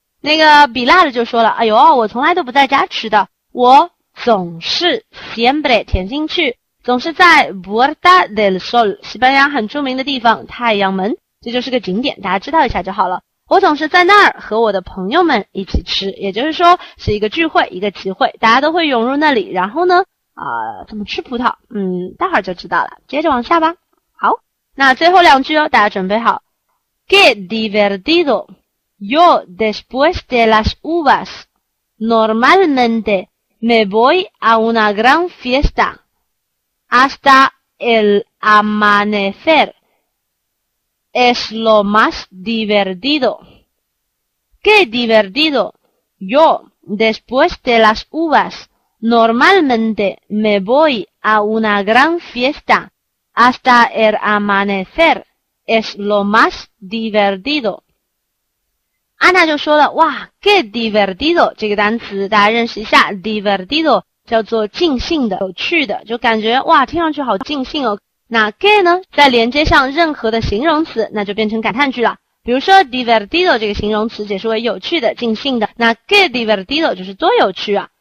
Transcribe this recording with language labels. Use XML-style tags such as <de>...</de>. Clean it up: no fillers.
<zh>那个比辣的就说了，哎呦，我从来都不在家吃的，我总是 siempre 填进去，总是在 Puerta del Sol， 西班牙很著名的地方，太阳门，这就是个景点，大家知道一下就好了。我总是在那儿和我的朋友们一起吃，也就是说是一个聚会，一个集会，大家都会涌入那里，然后呢怎么吃葡萄？待会儿就知道了，接着往下吧。好，那最后两句哦，大家准备好。</zh> <es>Qué divertido. Yo después de las uvas, normalmente me voy a una gran fiesta. Hasta el amanecer. Es lo más divertido. ¡Qué divertido! Yo, después de las uvas, normalmente me voy a una gran fiesta. Hasta el amanecer es lo más divertido.</es> <zh>Ana 就说了，哇 ，qué divertido 这个单词大家认识一下 ，divertido 叫做尽兴的、有趣的，就感觉哇，听上去好尽兴哦。那 qué 呢，在连接上任何的形容词，那就变成感叹句了。比如说 divertido 这个形容词解释为有趣的、尽兴的，那 qué divertido 就是多有趣啊。</zh>